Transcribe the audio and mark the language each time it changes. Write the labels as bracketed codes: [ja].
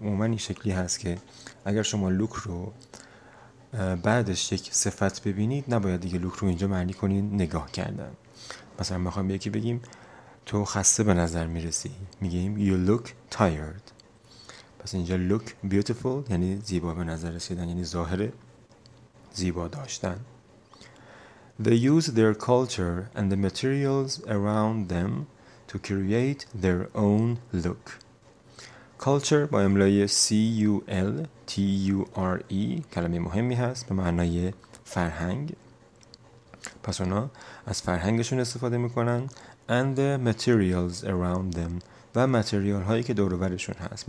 [fa] عموما این شکلی هست که اگر شما look رو بعدش یک صفت ببینید، نباید دیگه look رو اینجا معنی کنین نگاه کردن. مثلا میخوام یکی بگیم تو خسته به نظر میرسی، میگیم [en] you look tired. [fa] پس اینجا look beautiful یعنی زیبا به نظر رسیدن، یعنی ظاهره زیبا داشتن. [en] They use their culture and the materials around them to create their own look. [fa] Culture با املای culture کلمه مهمی هست به معنای فرهنگ. پس اونا از فرهنگشون استفاده میکنن [en] and the materials around them [fa] و متریال هایی که دور و برشون هست.